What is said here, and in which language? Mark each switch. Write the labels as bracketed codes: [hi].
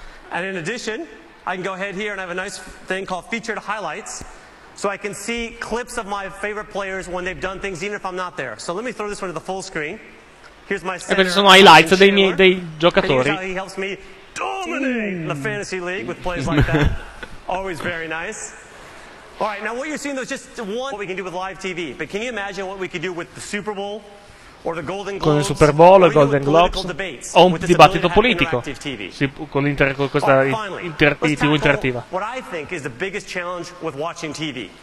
[en] And in addition, I can go ahead here and have a nice thing called featured highlights, so I can see clips of my favorite players when they've done things, even if I'm not there. So let me throw this one to the full screen. Here's my. [it] E questi sono highlights dei giocatori. [en] He helps me dominate the fantasy league with plays like that. Always very nice. All right, now what you're seeing though is just one. What we can do with live TV, but can you imagine what we could do with the Super Bowl or the Golden Globes, [it] con il Super Bowl, il Golden Globes o un dibattito politico con questa TV interattiva. [en] What I think is the biggest challenge with watching TV.